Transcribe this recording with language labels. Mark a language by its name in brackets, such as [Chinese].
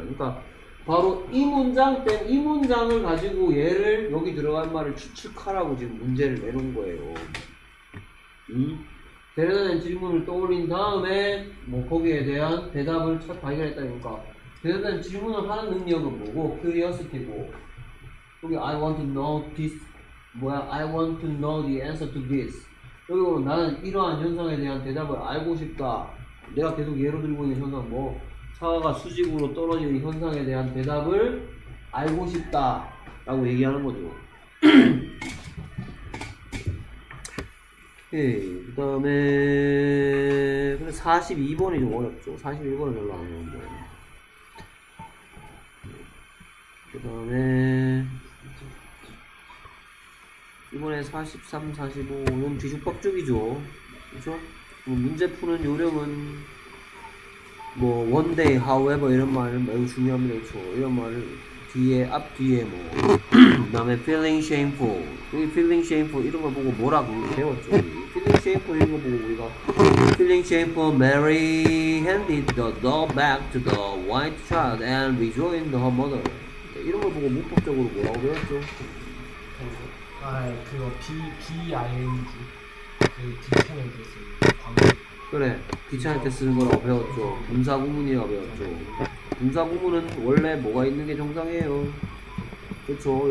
[Korean] 그러니까 바로 이 문장 때, 이 문장을 가지고 얘를 여기 들어간 말을 추측하라고 지금 문제를 내놓은 거예요. 제대로 된 질문을 떠올린 다음에 뭐 거기에 대한 대답을 첫 발견했다니까. 제대로 된 질문을 하는 능력은 뭐고? [English] curiosity고. [Korean] 여기 [English] I want to know this. [Korean] 뭐야? [English] I want to know the answer to this. [Korean] 여기 보면 나는 이러한 현상에 대한 대답을 알고 싶다. 내가 계속 예로 들고 있는 현상 뭐? 사과가 수직으로 떨어지는 현상에 대한 대답을 알고 싶다 라고 얘기하는 거죠. 예, 그 다음에 42번이 좀 어렵죠. 41번은 별로 안 어려운데. 그 다음에 이번에 43, 45 이건 뒤죽박죽이죠. 그렇죠? 문제 푸는 요령은 뭐 [English] one day, however [Korean] 이런 말은 매우 중요합니다. 그렇죠? 이런 말을 뒤에 앞 뒤에 뭐 그다음에 [English] feeling shameful. [Korean] 우리 [English] feeling shameful [Korean] 이런 걸 보고 뭐라고 배웠죠? [English] feeling shameful [Korean] 이런 걸 보고 우리가 [English] feeling shameful, Mary handed the doll back to the white child and rejoined her mother. [Korean] 이런 걸 보고 문법적으로 뭐라고 해야죠? 아, 그거 BING 귀찮을 때 쓰는 그래, 귀찮을 때 쓰는 거라고 배웠죠. 분사구문이라고 배웠죠. 분사구문은 원래 뭐가 있는 게 정상이에요. 그렇죠.